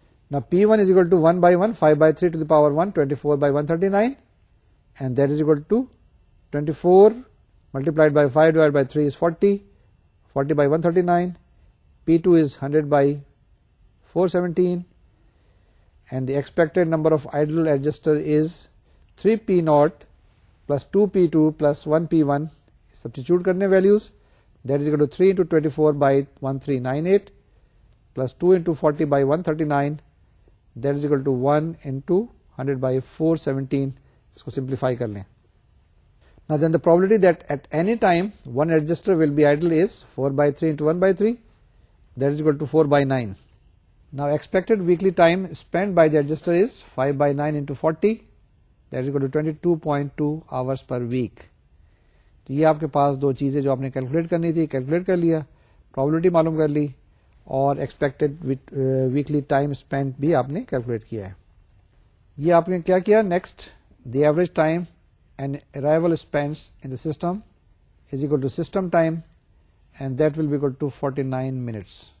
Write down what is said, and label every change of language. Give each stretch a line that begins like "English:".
English: نا P 1 is equal to 1 by 1 5/3 to the power 1 24/139, and that is equal to 24 multiplied by 5 divided by 3 is 40, 40/139, P 2 is 100/417, and the expected number of idle adjuster is 3P0 plus 2P2 plus 1P1. Substitute karne values, that is equal to 3 into 24/1398 plus 2 into 40/139, that is equal to 1 into 100/417.
Urdu: Isko simplify karne.
English: Now then the probability that at any time one adjuster will be idle is 4/3 into 1/3, that is equal to 4/9. Now expected weekly time spent by the adjuster is 5/9 into 40, that is equal to 22.2 hours per week.
Urdu: تو یہ آپ کے پاس دو چیزیں جو آپ نے calculate کرنی تھی, کیلکولیٹ کر لیا, پرابلمٹی معلوم کر لی, اور ایکسپیکٹڈ ویکلی ٹائم اسپینڈ بھی آپ نے کیلکولیٹ کیا ہے. یہ آپ نے کیا کیا,
English: Next the average time an arrival spend in the system is equal to system time, and that will be equal to 49 minutes.